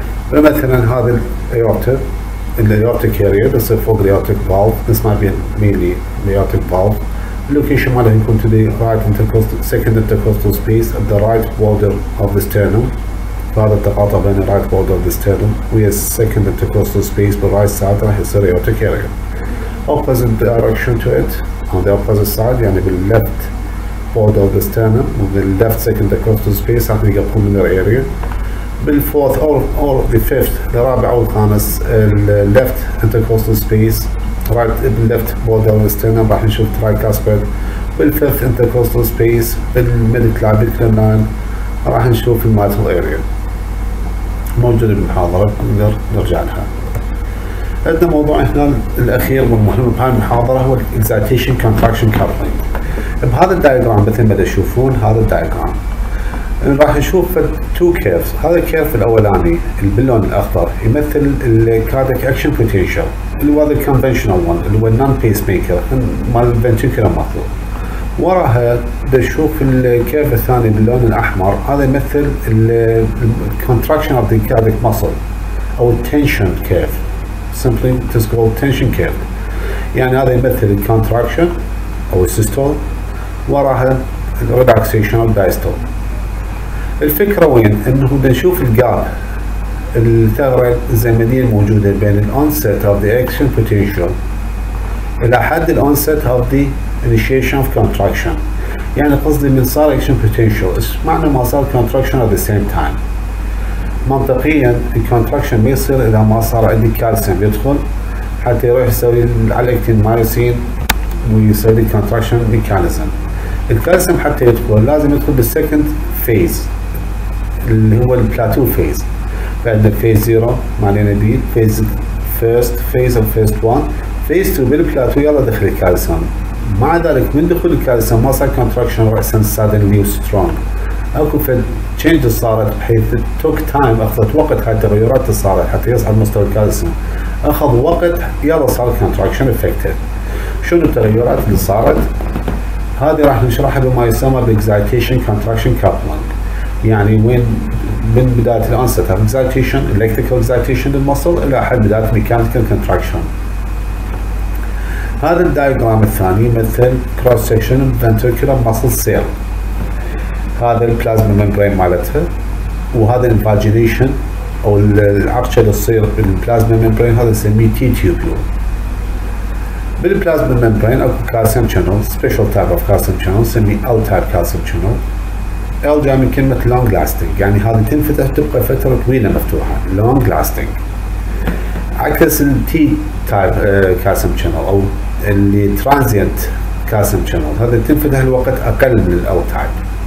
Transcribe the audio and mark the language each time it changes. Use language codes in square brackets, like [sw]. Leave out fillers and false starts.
[ar] فمثلا هذا الايورتا الايورتا كارير بس فوق الايورتيك فالف نسمع بين ميلي الايورتيك فالف اللوكيشن مالها يكون تو ذا رايت انتركوستال سكند انتركوستال سبيس اوف ذا رايت بوردر اوف ذا ستيرنوم. فهذا التقاطع بين الرايت بوردر اوف ذا ستيرنوم ويا السكند انتركوستال سبيس بالرايت سايد راح يصير ايورتيك كارير. [en] Opposite direction to it on the opposite side, [ar] يعني بال [en] left border of the sternum and the left second intercostal space [ar] عندنا [en] pulmonar area. بال fourth or the fifth, the [ar] رابع أو الخامس [en] left intercostal space, right left border of the sternum [ar] راح نشوف [en] tricuspid. بال fifth intercostal space, بال midclavicular line [ar] راح نشوف [en] the mitral area. [ar] موجودة بالمحاضرة نقدر نرجع لها. عندنا موضوع هنا الاخير والمهم بهاي المحاضره هو الاكزايتيشن كونتراكشن كابلينج. بهذا الدايجرام مثل ما تشوفون هذا الدايجرام راح نشوف تو كيرفز. هذا الكيرف الاولاني باللون الاخضر يمثل الكارديك اكشن بوتنشال اللي هو الكونفشنال ون اللي هو النون بيس ميكر مال الفنتركلر ماسل. وراها تشوف الكيرف الثاني باللون الاحمر هذا يمثل الكونتراكشن اوف ذا كارديك ماسل او التنشن كيرف. [en] Simply it's called tension curve. [ar] يعني هذا يمثل contraction أو systole وراها relaxation أو diastole. الفكرة وين؟ إنه نشوف الجاب الثغرة الزمنية الموجودة بين [en] the onset of the action potential [ar] إلى حد [en] the onset of the initiation of contraction. [ar] يعني قصدي من صار action potential إيش معنى ما صار contraction [en] at the same time. [ar] منطقيا الكونتراكشن ما يصير اذا ما صار عندي كالسيوم يدخل حتى يروح يسوي الاكتين مايوسين ويسوي لي كونتراكشن ميكانيزم. الكالسيوم حتى يدخل لازم يدخل بالسكند فيز اللي هو البلاتو فيز. بعدنا فيز 0 معنينا بي فيز فيرست فيز او فيرست 1 فيز 2 بالبلاتو يلا دخل الكالسيوم. مع ذلك من دخول الكالسيوم ما صار كونتراكشن راسا سادنلي وسترونج. اكو فد تشينج صارت بحيث توك تايم اخذت وقت حتى التغيرات صارت حتى يصعد مستوى الكالسيوم اخذ وقت يلا صار الكونتراكشن افكتيف. شنو التغيرات اللي صارت؟ هذه راح نشرحها بما يسمى بالإكزايتيشن كونتراكشن كابلنج، يعني وين من بداية الأنست [en] of excitation, electrical excitation [ar] للmuscle إلى حد بداية mechanical contraction. هذا الدايجرام الثاني مثل [en] cross section of ventricular muscle cell. [ar] هذا البلازما ممبرين مالتها، وهذا الانفاجينيشن أو العرشة اللي تصير بالبلازما ممبرين، هذا نسميه تي تيوبيول. بالبلازما ممبرين أكو calcium channel, [en] special type of calcium channel [ar] نسميه L type calcium channel. L جاي من كلمة long lasting، يعني هذه تنفتح تبقى فترة طويلة مفتوحة long lasting، عكس ال T type calcium channel أو اللي transient calcium channel، هذا تنفتح الوقت أقل من ال L type.